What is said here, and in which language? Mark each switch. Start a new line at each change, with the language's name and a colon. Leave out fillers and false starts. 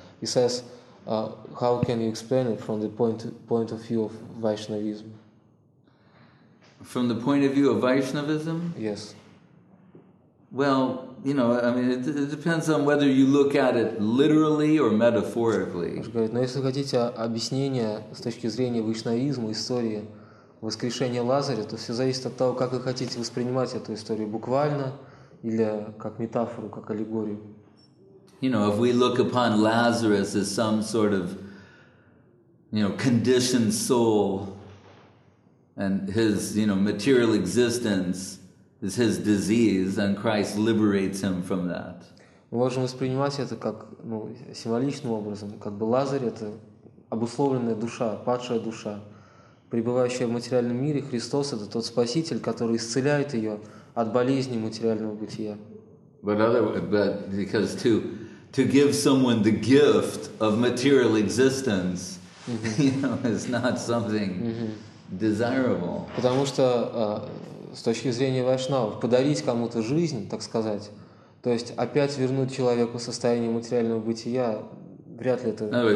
English: He says, how can you explain it from the point of view of Vaishnavism? From the point of view of Vaishnavism? Yes. Well, you know, I mean, it depends on whether you look at it literally or metaphorically.
Russian: Но если хотите объяснение с точки зрения вайшнавизма истории воскрешения Лазаря, то все зависит от того, как вы хотите воспринимать эту историю буквально или как метафору, как аллегорию.
English: You know, if we look upon Lazarus as some sort of, you know, conditioned soul, and his, you know, material existence is his disease, and Christ liberates him from that.
Russian: Мы можем воспринимать это как символичным образом, как бы Лазарь — это обусловленная душа, падшая душа, пребывающая в материальном мире. Христос — это тот спаситель, который исцеляет ее от болезни материального бытия.
English: But because to give someone the gift of material existence, you know, is not something desirable.
Russian: Потому что с точки зрения вайшнавов, подарить кому-то жизнь, так сказать, то есть опять вернуть человеку состояние материального бытия, вряд ли это